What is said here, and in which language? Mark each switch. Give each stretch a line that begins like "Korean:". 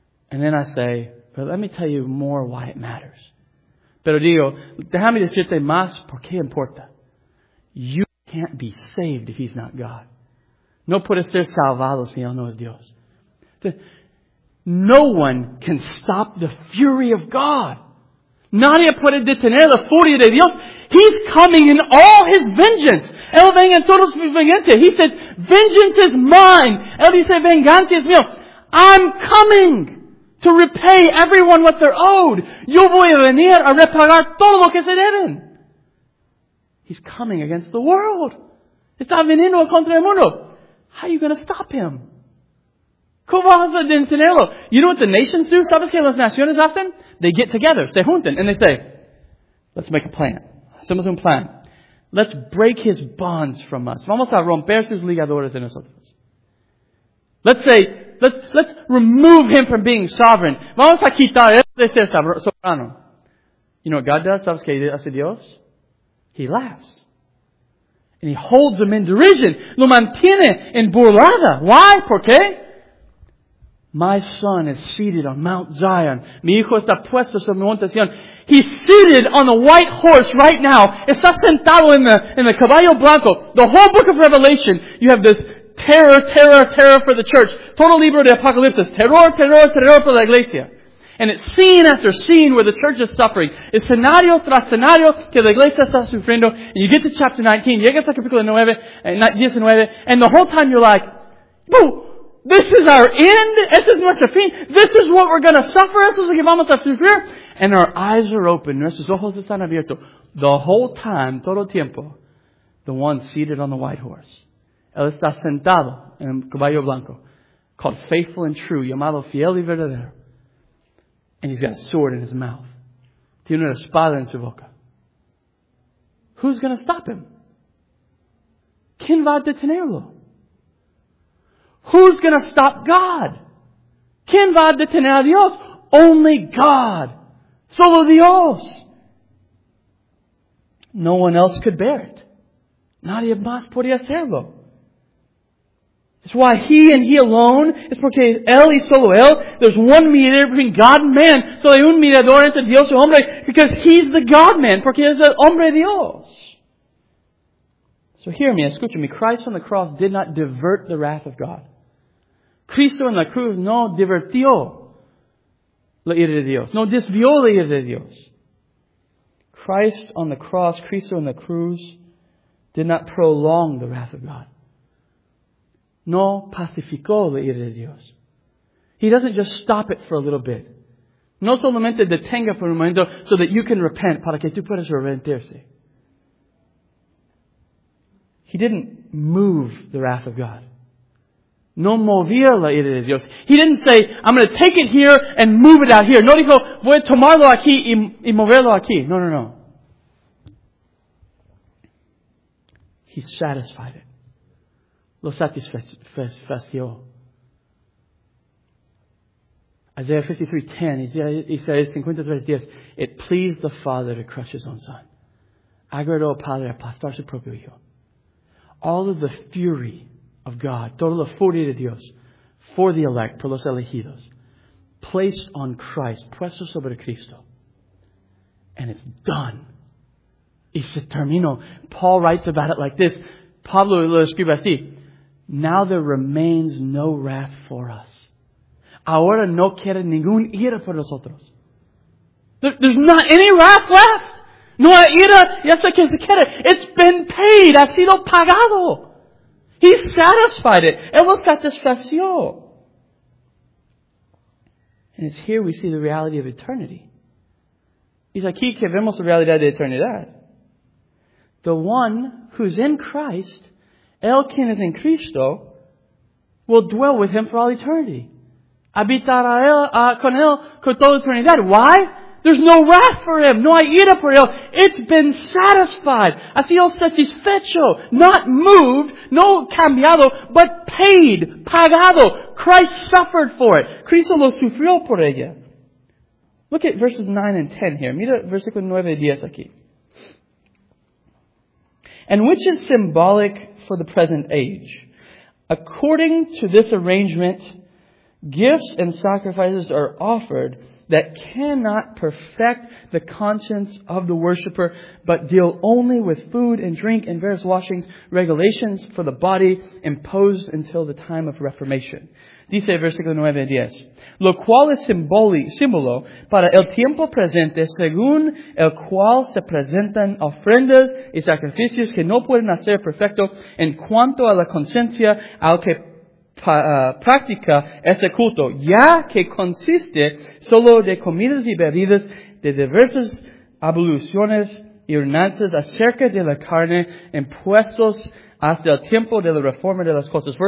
English: And then I say, but let me tell you more why it matters.
Spanish: Pero digo, déjame decirte más por qué importa.
English: You can't be saved if He's not God.
Spanish: No puedes ser salvado si Él no es Dios.
English: No one can stop the fury of God.
Spanish: Nadie puede detener la furia de Dios.
English: He's coming in all His vengeance.
Spanish: Él venga en todos mis vengancias.
English: He said, vengeance is mine.
Spanish: Él dice, venganza es mío.
English: I'm coming to repay everyone what they're owed.
Spanish: Yo voy a venir a reparar todo lo que se deben.
English: He's coming against the world.
Spanish: Está viniendo contra el mundo.
English: How are you going to stop Him?
Spanish: ¿Cómo vas a detenerlo?
English: You know what the nations do?
Spanish: ¿Sabes qué las naciones hacen?
English: They get together,
Spanish: se juntan,
English: and they say, let's make a plan.
Spanish: Hacemos un plan.
English: Let's break His bonds from us.
Spanish: Vamos a romper sus ligaduras de nosotros.
English: Let's remove Him from being sovereign.
Spanish: Vamos a quitar Él de ser soberano.
English: You know what God does?
Spanish: ¿Sabes qué hace Dios?
English: He laughs. And He holds them in derision.
Spanish: Lo mantiene en burlada.
English: Why?
Spanish: ¿Por qué?
English: My son is seated on Mount Zion.
Spanish: Mi hijo está puesto sobre el monte Sion.
English: He's seated on the white horse right now.
Spanish: Está sentado en el caballo blanco.
English: The whole book of Revelation, you have this terror for the church.
Spanish: Todo libro de Apocalipsis, terror for la iglesia.
English: And it's scene after scene where the church is suffering. It's scenario
Spanish: tras
English: scenario
Spanish: que la iglesia está sufriendo.
English: And you get to chapter 19,
Spanish: llegas al capítulo 19,
English: and the whole time you're like, boo! This is our end. This is
Spanish: nuestro fin.
English: This is what we're going to suffer. This is what we're going to suffer. And our eyes are open.
Spanish: Nuestros ojos están abiertos.
English: The whole time,
Spanish: todo tiempo,
English: the one seated on the white horse.
Spanish: Él está sentado en el caballo blanco.
English: Called faithful and true.
Spanish: Llamado fiel y verdadero.
English: And he's got a sword in his mouth.
Spanish: Tiene una espada en su boca.
English: Who's going to stop him?
Spanish: ¿Quién va a detenerlo?
English: Who's going to stop God?
Spanish: ¿Quién va a detener a Dios?
English: Only God.
Spanish: Solo Dios.
English: No one else could bear it.
Spanish: Nadie más podía hacerlo.
English: It's why He and He alone,
Spanish: es porque Él y solo Él,
English: there's one mediator between God and man, so
Spanish: hay un mediador entre Dios y hombre,
English: because He's the God-man,
Spanish: porque es el hombre Dios.
English: So hear me,
Spanish: escucha me,
English: Christ on the cross did not divert the wrath of God.
Spanish: Cristo en la cruz no divertió la ira de Dios. No desvió la ira de Dios.
English: Christ on the cross,
Spanish: Cristo en la cruz,
English: did not prolong the wrath of God.
Spanish: No pacificó la ira de Dios.
English: He doesn't just stop it for a little bit.
Spanish: No solamente detenga por un momento
English: so that you can repent,
Spanish: para que tú puedas arrepentirse.
English: He didn't move the wrath of God.
Spanish: No movía la ira de Dios.
English: He didn't say, I'm going to take it here and move it out here.
Spanish: No dijo, voy a tomarlo aquí y moverlo aquí. No.
English: He satisfied it.
Spanish: lo satisfació.
English: Isaiah 53:10,
Spanish: Isaías 53:10,
English: it pleased the Father to crush his own son.
Spanish: Agradó al Padre aplastar su propio hijo.
English: All of the fury of God,
Spanish: toda la furia de Dios,
English: for the elect,
Spanish: por los elegidos,
English: placed on Christ,
Spanish: puesto sobre Cristo.
English: And it's done.
Spanish: Y se terminó.
English: Paul writes about it like this.
Spanish: Pablo lo escribe así.
English: Now there remains no wrath for us.
Spanish: Ahora no queda ningún ira por nosotros.
English: There's not any wrath left.
Spanish: No hay ira. Ya sé que se queda.
English: It's been paid.
Spanish: Ha sido pagado.
English: He satisfied it.
Spanish: Él lo satisfació.
English: And it's here we see the reality of eternity.
Spanish: Es aquí que vemos la realidad de eternidad.
English: The one who's in Christ,
Spanish: el quien es en Cristo,
English: will dwell with him for all eternity.
Spanish: Habitará con él con toda eternidad.
English: Why? There's no wrath for him.
Spanish: No hay ira por él.
English: It's been satisfied.
Spanish: Ha sido satisfecho.
English: Not moved.
Spanish: No cambiado.
English: But paid.
Spanish: Pagado.
English: Christ suffered for it.
Spanish: Cristo lo sufrió por ella.
English: Look at verses 9 and 10 here.
Spanish: Mira versículo 9 y 10 aquí.
English: And which is symbolic for the present age. According to this arrangement, gifts and sacrifices are offered that cannot perfect the conscience of the worshiper, but deal only with food and drink and various washings, regulations for the body imposed until the time of reformation.
Spanish: Dice versículo 9 y 10. Lo cual es símbolo para el tiempo presente, según el cual se presentan ofrendas y sacrificios que no pueden hacer perfecto en cuanto a la conciencia al que practica ese culto, ya que consiste solo de comidas y bebidas, de diversas abluciones y ordenanzas acerca de la carne impuestos hasta el tiempo de la reforma de las cosas.